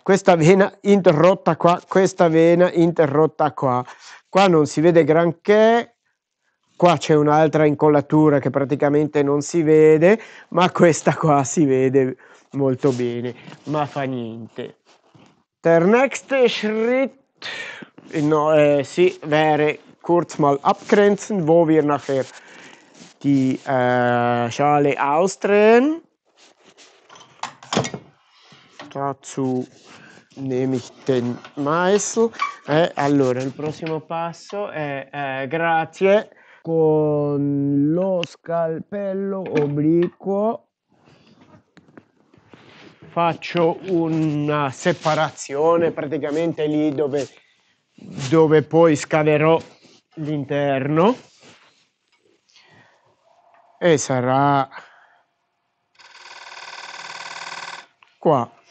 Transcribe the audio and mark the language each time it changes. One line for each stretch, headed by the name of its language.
Italian: Questa vena interrotta qua, questa vena interrotta qua. Qua non si vede granché. Qua c'è un'altra incollatura che praticamente non si vede, ma questa qua si vede molto bene, ma fa niente.
German: Der nächste Schritt,
Italian: no, sì,
German: wäre kurz mal abgrenzen, wo wir nachher die Schale ausdrehen. Dazu nehme ich den Meißel.
Italian: Allora, il prossimo passo è grazie con lo scalpello obliquo faccio una separazione praticamente lì dove poi scaverò l'interno e sarà qua.